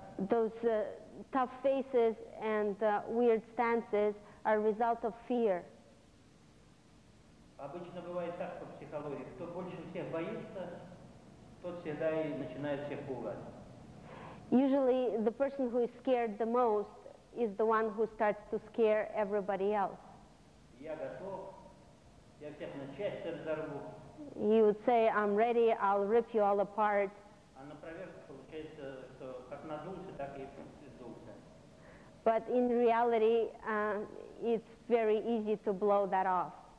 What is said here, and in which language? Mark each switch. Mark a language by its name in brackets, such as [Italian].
[English] Those tough faces and weird stances are a result of fear. [Russian] Обычно бывает так по психологии, кто больше всех боится, тот всегда и начинает всех пугать. [English] Usually the person who is scared the most is the one who starts to scare everybody else. [Russian] Я готов, я всех на части разорву. [English] He would say, I'm ready, I'll rip you all apart. [Russian] А на проверку получается, что как надулся, так и сдулся. [English] But in reality, it's very easy to blow that off.